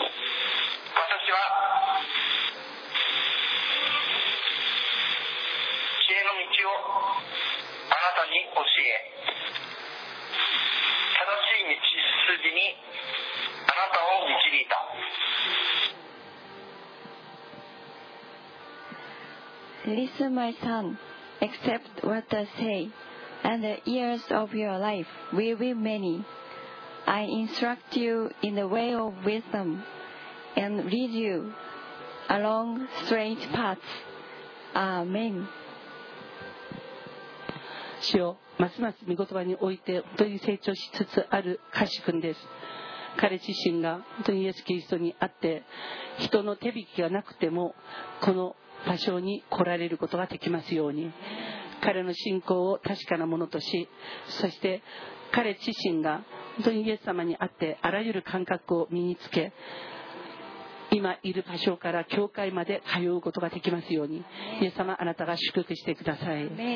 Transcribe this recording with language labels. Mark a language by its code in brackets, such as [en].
[ja] 私は知恵の道をあなたに教え、正しい道筋にあなたを導いた。 [en] Listen, my son, accept what I say, and the years of your life will be many. I instruct you in the way of wisdom and lead you along straight paths. Amen. [ja] 主よ、ますます御言葉において本当に成長しつつある賢志君です。彼自身が本当にイエス・キリストにあって人の手引きがなくてもこの場所に来られることができますように、彼の信仰を確かなものとし、そして彼自身が本当にイエス様にあってあらゆる感覚を身につけ、今いる場所から教会まで通うことができますように、イエス様あなたが祝福してください。